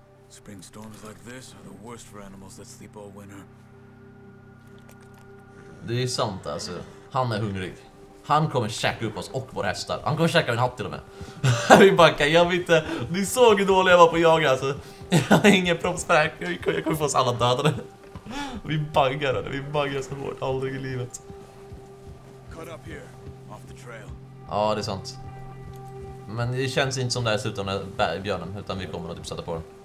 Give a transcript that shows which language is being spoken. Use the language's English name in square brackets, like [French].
[English] Springstorms like this are the worst for animals that sleep all winter. [Swedish] Det är sant alltså. Han är hungrig. Han kommer käka upp oss och våra hästar. Han kommer käka min hatt till och med. Vi backar, jag vet inte. Ni såg hur dålig jag var på att jaga alltså. Jag har ingen proffs här. Jag kommer få oss alla dödade. Vi baggar det. Vi baggar så hårt. Aldrig i livet. [English] Cut up here, off the trail. [Swedish] Ja, det är sant. Men det känns inte som det här slutar med björnen. Utan vi kommer att typ sätta på den.